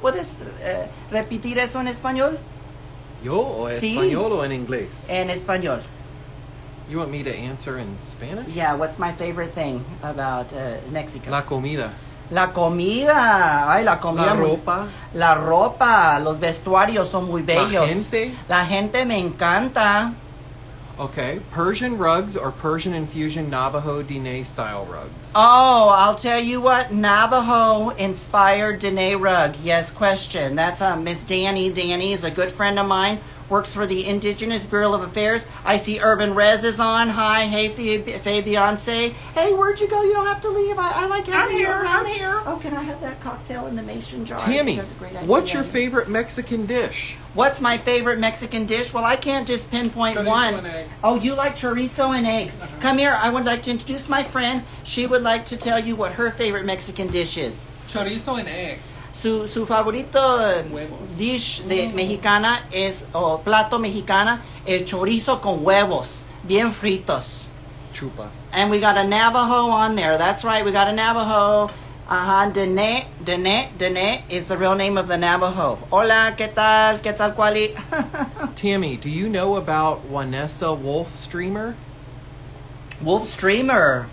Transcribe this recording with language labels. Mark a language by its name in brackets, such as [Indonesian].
[Spanish] ¿Puedes repetir eso en español? Yo, o español, sí. O en inglés. En español. [English] You want me to answer in Spanish? Yeah, what's my favorite thing about Mexico? [Spanish] La comida. Ay, la comida. La ropa. Los vestuarios son muy bellos. La gente me encanta. [English] Okay, Persian rugs or Persian infusion Navajo Diné style rugs? Oh, I'll tell you what, Navajo inspired Diné rug. Yes, question. That's Miss Danny. Danny is a good friend of mine. Works for the Indigenous Bureau of Affairs. I see Urban Rez is on. Hi, hey, Faye Beyonce. Hey, where'd you go? You don't have to leave. I like having you around. I'm here. Oh, can I have that cocktail in the mason jar? Tammy, that's a great idea. What's your favorite Mexican dish? What's my favorite Mexican dish? Well, I can't just pinpoint chorizo one. Oh, you like chorizo and eggs. Uh-huh. Come here. I would like to introduce my friend. She would like to tell you what her favorite Mexican dish is. Chorizo and eggs. [Spanish] Su favorito huevos. Dish de mexicana es, o plato mexicana, el chorizo con huevos, bien fritos. Chupa. [English] And we got a Navajo on there. That's right, we got a Navajo. Uh-huh. Dene is the real name of the Navajo. [Spanish] Hola, ¿qué tal? ¿Qué tal, cuali? [English] Tammy, do you know about Juanessa Wolf Streamer? Wolf Streamer?